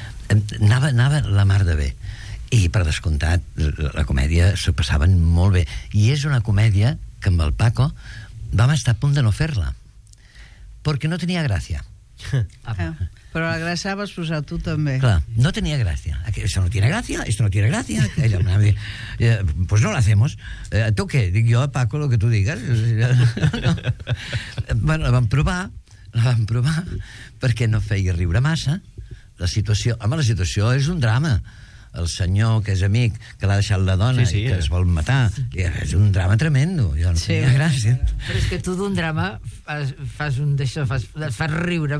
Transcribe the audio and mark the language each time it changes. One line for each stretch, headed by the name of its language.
Catalan: Anava la mar de bé. I, per descomptat, la comèdia s'ho passaven molt bé. I és una comèdia que amb el Paco vam estar a punt de no fer-la. Perquè no tenia gràcia. Però la gràcia vas posar tu també. Clar, no tenia gràcia. Això
Spanish: no tiene gràcia, esto no tiene gràcia.
Catalan: Ella em va dir,
Spanish: pues no lo hacemos. ¿Tú qué?
Catalan: Dic jo,
Spanish: Paco, lo que tú digas. No.
Catalan: Bueno, la vam provar, perquè no feia riure massa. La situació, home, la situació és un drama. El senyor que és amic, que l'ha deixat la dona, sí, sí, i que es vol matar. És un drama tremendo. Jo no, sí, tenia gràcia. Però és que tu d'un drama fas riure.